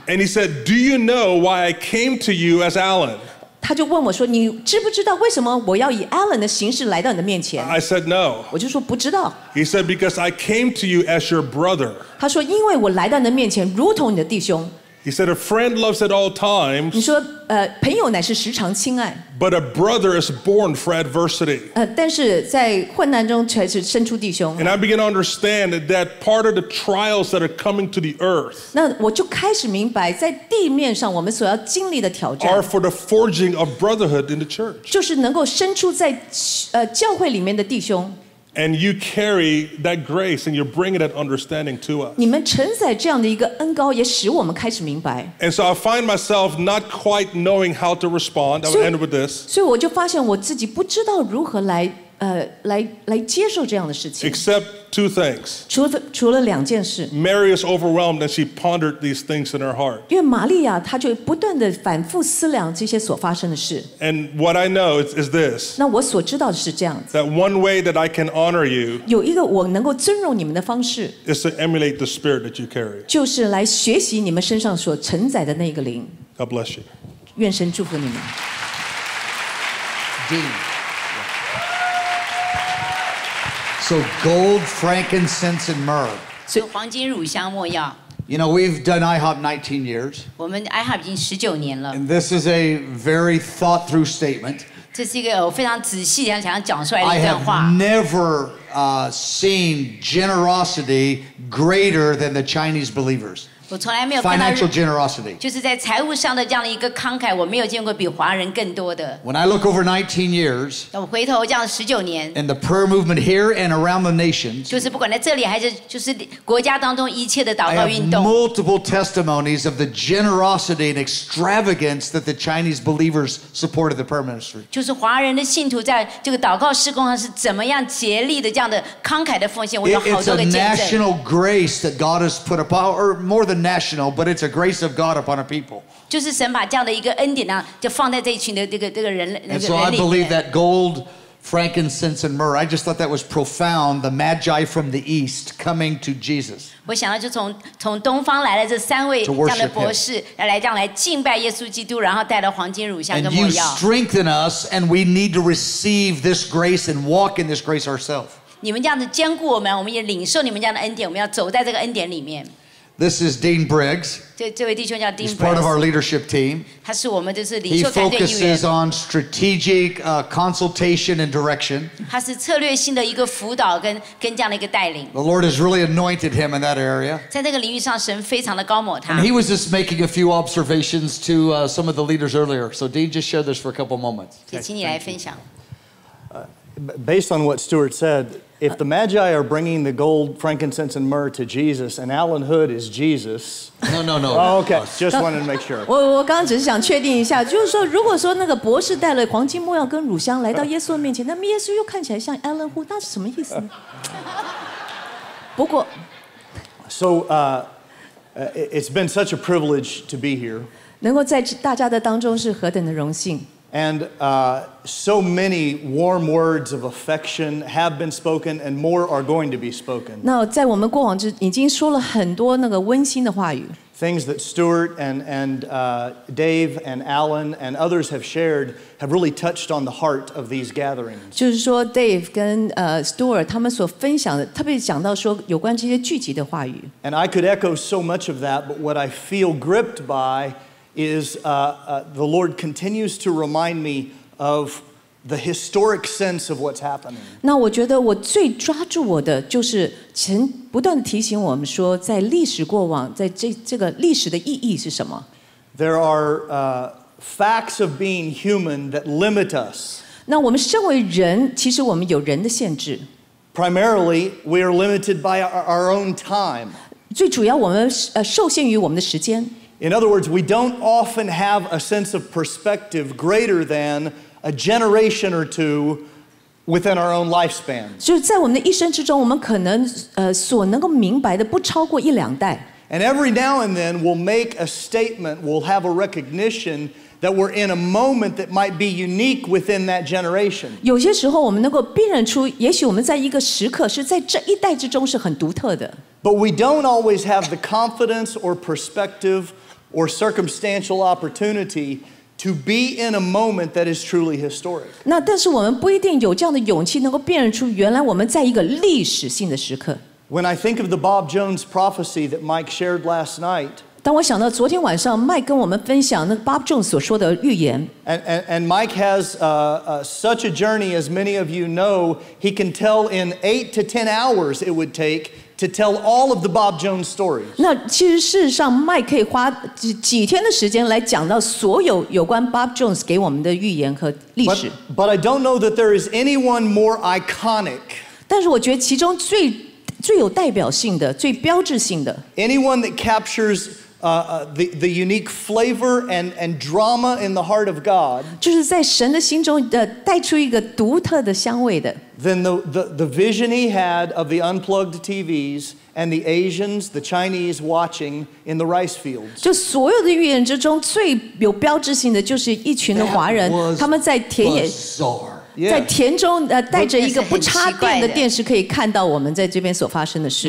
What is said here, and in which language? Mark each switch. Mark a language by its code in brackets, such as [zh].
[en] And he said, "Do you know why I came to you as Alan?" [zh] 他就问我说，你知不知道为什么我要以 Alan 的形式来到你的面前？ [en] I said no. [zh] 我就说不知道。 [en] He said, "Because I came to you as your brother." [zh] 他说因为我来到你的面前如同你的弟兄。 [en] He said, "A friend loves at all times." [zh] 你说朋友乃是时常亲爱。 [en] But a brother is born for adversity. [zh] 但是在困难中才是生出弟兄。 [en] And I began to understand that part of the trials that are coming to the earth. [zh] 那我就开始明白，在地面上我们所要经历的挑战 [en] are for the forging of brotherhood in the church. [zh] 就是能够生出在教会里面的弟兄。 [en] And you carry that grace, and you're bringing that understanding to us. [zh] 你们承载这样的一个恩膏，也使我们开始明白。 [en] And so I find myself not quite knowing how to respond. I'll end with this. [zh] 所以我就发现我自己不知道如何来接受这样的事情。 [en] Except two things. [zh] 除了两件事。 [en] Mary is overwhelmed, and she pondered these things in her heart. [zh] 因为玛利亚她就不断的反复思量这些所发生的事。 [en] And what I know is this. [zh] 那我所知道的是这样子。 [en] That one way that I can honor you. [zh] 有一个我能够尊荣你们的方式。 [en] Is to emulate the spirit that you carry. [zh] 就是来学习你们身上所承载的那个灵。 [en] God bless you. [zh] 愿神祝福你们。 [en] Dean. So gold, frankincense, and myrrh. [zh] 所以黄金乳香墨药。 [en] You know, we've done IHOP 19 years. [zh] 我们 IHOP 已经19年了。 [en] And this is a very thought through statement. [zh] 这是一个我非常仔细想要讲出来的一段话。 [en] I have never seen generosity greater than the Chinese believers. [zh] 我从来没有 [en] financial generosity. [zh] 就是在财务上的这样的一个慷慨，我没有见过比华人更多的。 [en] When I look over 19 years, [zh] 我回头这样19年 [en] and the prayer movement here and around the nations, [zh] 就是不管在这里还是就是国家当中一切的祷告运动 [en] I have multiple testimonies of the generosity and extravagance that the Chinese believers supported the prayer ministry. [zh] 就是华人的信徒在这个祷告事工上是怎么样竭力的这样的慷慨的奉献，我有好多个见证。 [en] It's a national grace that God has put upon, or more than national, but it's a grace of God upon a people. [zh] 就是神把这样的一个恩典啊，就放在这一群的这个人。 [en] And so I believe that gold, frankincense, and myrrh. I just thought that was profound. The Magi from the East coming to Jesus. [zh] 我想到就从东方来的这三位这样的博士，来敬拜耶稣基督，然后带了黄金乳香跟墨药。 [en] And you strengthen us, and we need to receive this grace and walk in this grace ourselves. [zh] 你们这样子坚固我们，我们也领受你们这样的恩典，我们要走在这个恩典里面。 [en] This is Dean Briggs. [zh] 这位弟兄叫 Dean Briggs. [en] He's part of our leadership team. [zh] 他是我们就是领袖团队的一员。 [en] He focuses on strategic consultation and direction. [zh] 他是策略性的一个辅导跟这样的一个带领。 [en] The Lord has really anointed him in that area. [zh] 在这个领域上，神非常的高抹他。 [en] And he was just making a few observations to some of the leaders earlier. So Dean, just share this for a couple moments. [zh] 也请你来分享。 [en] Based on what Stuart said, if the Magi are bringing the gold, frankincense, and myrrh to Jesus, and Alan Hood is Jesus... No. Oh, okay, just wanted to make sure. [zh] 我刚刚只是想确定一下，就是说，如果说那个博士带了黄金、没药跟乳香来到耶稣的面前，那么耶稣又看起来像 Alan Hood, 那是什么意思呢？不过 [en] ...So, it's been such a privilege to be here. [zh] 能够在大家的当中是何等的荣幸。 [en] And so many warm words of affection have been spoken, and more are going to be spoken. [zh] 那在我们过往就已经说了很多那个温馨的话语。 [en] Things that Stuart and Dave and Alan and others have shared have really touched on the heart of these gatherings. [zh] 就是说 ，Dave 跟Stuart 他们所分享的，特别讲到说有关这些聚集的话语。 [en] And I could echo so much of that, but what I feel gripped by. Is the Lord continues to remind me of the historic sense of what's happening. [zh] 那我觉得我最抓住我的就是神不断提醒我们说，在历史过往，在这个历史的意义是什么 [en] ？There are facts of being human that limit us. [zh] 那我们身为人，其实我们有人的限制。 [en] Primarily, we are limited by our own time. [zh] 最主要，我们受限于我们的时间。 [en] In other words, we don't often have a sense of perspective greater than a generation or two within our own lifespan. [zh] 就是在我们的一生之中，我们可能所能够明白的不超过一两代。 [en] And every now and then, we'll make a statement, we'll have a recognition that we're in a moment that might be unique within that generation. [zh] 有些时候，我们能够辨认出，也许我们在一个时刻是在这一代之中是很独特的。 [en] But we don't always have the confidence or perspective or circumstantial opportunity to be in a moment that is truly historic. [zh] 那但是我们不一定有这样的勇气能够辨认出原来我们在一个历史性的时刻。 [en] When I think of the Bob Jones prophecy that Mike shared last night, [zh] 当我想到昨天晚上麦跟我们分享那个 Bob Jones 所说的预言。 [en] And Mike has such a journey, as many of you know, he can tell in 8 to 10 hours it would take to tell all of the Bob Jones stories. [zh] 那其实事实上，麦可以花几天的时间来讲到所有有关 Bob Jones 给我们的预言和历史。 [en] But I don't know that there is anyone more iconic. [zh] 但是我觉得其中最有代表性的、最标志性的 [en] anyone that captures the unique flavor and drama in the heart of God. [zh] 就是在神的心中带出一个独特的香味的。 [en] Than the vision he had of the unplugged TVs and the Asians, the Chinese watching in the rice fields. [zh] 就所有的预言之中最有标志性的就是一群的华人，他们在田野， [en] bizarre. [zh] 在田中带着一个不插电的电视，可以看到我们在这边所发生的事。